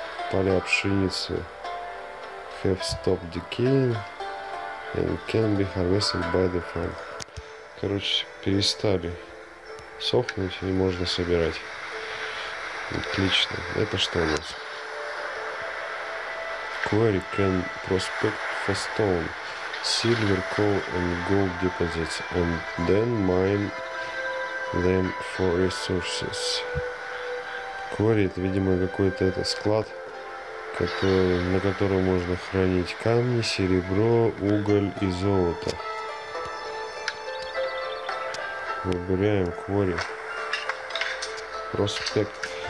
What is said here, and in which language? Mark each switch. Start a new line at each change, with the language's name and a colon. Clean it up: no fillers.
Russian: Поля пшеницы
English: have stopped decaying and can be harvested by the farm.
Russian: Короче, перестали сохнуть и можно собирать. Отлично. Это что у нас?
English: Quarry can prospect for stone, silver, coal and gold deposits and then mine them for resources.
Russian: Quarry — это, видимо, какой-то это склад, который, на котором можно хранить камни, серебро, уголь и золото. Выбираем quarry. Проспект.